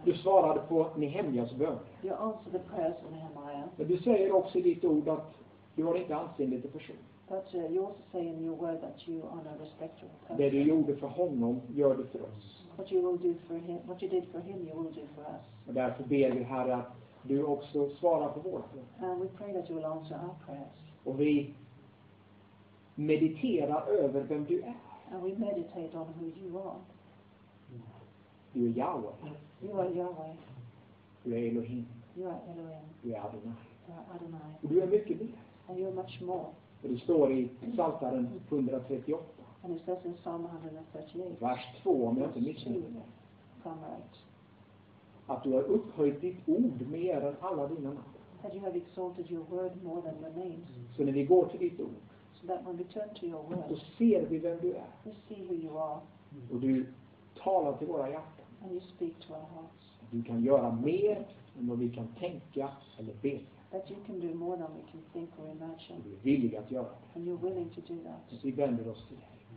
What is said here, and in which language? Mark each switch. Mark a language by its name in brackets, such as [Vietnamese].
[Swedish] Du svarade på Nehemjas bön. [English] You answered the prayers of Nehemiah. [Swedish] Men du säger också i ditt ord att du har inte ansenlig person. [English] But you also say in your word that you are no respecter of persons. [Swedish] Det du gjorde för honom, gör det för oss. [English] What you will do for him, what you did for him, you will do for us. [Swedish] Och därför ber vi Herre att du också svarar på vårt. [English] And we pray that you will answer our prayers. [Swedish] Och vi meditera över vem du är. [English] And we meditate on who you are. [Swedish] Du är Yahweh. [English] You are Yahweh. [Swedish] Du är Elohim. [English] You are Elohim. [Swedish] Du är Adonai. [English] You are Adonai. [Swedish] Och du är mycket mer. [English] And you are much more. [Swedish] Och det står i Psaltaren 138. [English] And it says in Psalm 138. [Swedish] Vers 2, om jag inte missar det. [English] Psalm 8. [Swedish] Att du har upphöjt ditt ord mer än alla dina namn. [English] That you have exalted your word more than your names. [Swedish] Så när vi går till ditt ord. [English] So that when we turn to your word, [Swedish] då ser vi vem du är. [English] We see who you are. [Swedish] Och du talar till våra hjärtan. [English] And you speak to our hearts. [Swedish] Du kan göra mer än vad vi kan tänka eller be. [English] That you can do more than we can think or imagine. [Swedish] Du är villig att göra det. [English] And you're willing to do that. [Swedish] Så vi vänder oss till dig.